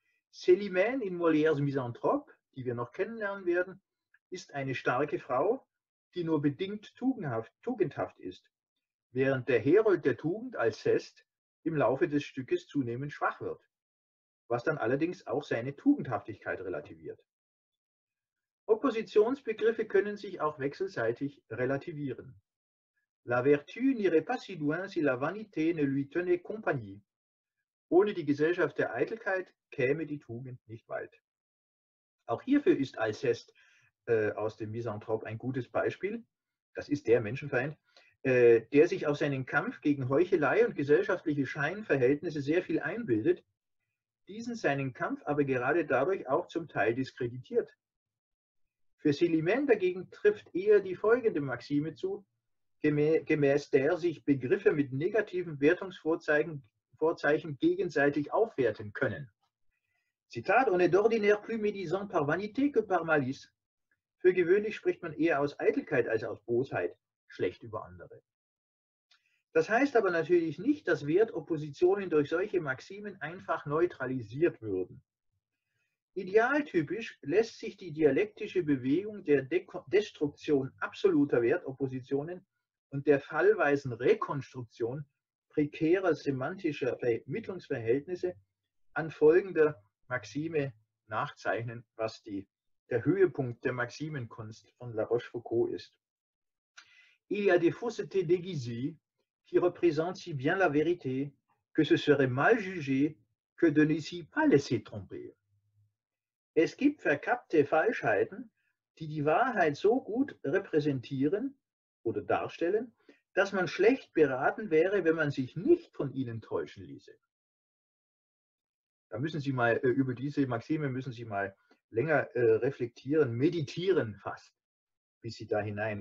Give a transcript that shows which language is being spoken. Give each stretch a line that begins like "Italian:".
German: Célimène in Molières Misanthrope, die wir noch kennenlernen werden, ist eine starke Frau, die nur bedingt tugendhaft ist, während der Herold der Tugend, Alceste, im Laufe des Stückes zunehmend schwach wird, was dann allerdings auch seine Tugendhaftigkeit relativiert. Oppositionsbegriffe können sich auch wechselseitig relativieren.
French: La vertu n'irait pas si loin si la vanité ne lui tenait compagnie.
German: Ohne die Gesellschaft der Eitelkeit käme die Tugend nicht weit. Auch hierfür ist Alceste aus dem Misanthrop ein gutes Beispiel. Das ist der Menschenfeind, der sich auf seinen Kampf gegen Heuchelei und gesellschaftliche Scheinverhältnisse sehr viel einbildet, diesen seinen Kampf aber gerade dadurch auch zum Teil diskreditiert. Für Célimène dagegen trifft eher die folgende Maxime zu, gemäß der sich Begriffe mit negativen Wertungsvorzeichen gegenseitig aufwerten können. Zitat:
French: On est d'ordinaire plus médisant par vanité que par malice.
German: Für gewöhnlich spricht man eher aus Eitelkeit als aus Bosheit schlecht über andere. Das heißt aber natürlich nicht, dass Wertoppositionen durch solche Maximen einfach neutralisiert würden. Idealtypisch lässt sich die dialektische Bewegung der Destruktion absoluter Wertoppositionen und der fallweisen Rekonstruktion prekärer semantischer Vermittlungsverhältnisse an folgender Maxime nachzeichnen, was der Höhepunkt der Maximenkunst von La Rochefoucauld ist.
French: Il y a des faussetés déguisées qui représentent si bien la vérité que ce serait mal jugé que de ne s'y pas laisser tromper.
German: Es gibt verkappte Falschheiten, die die Wahrheit so gut repräsentieren oder darstellen, dass man schlecht beraten wäre, wenn man sich nicht von ihnen täuschen ließe. Da müssen Sie mal über diese Maxime müssen Sie mal länger reflektieren, meditieren fast, bis Sie da hinein.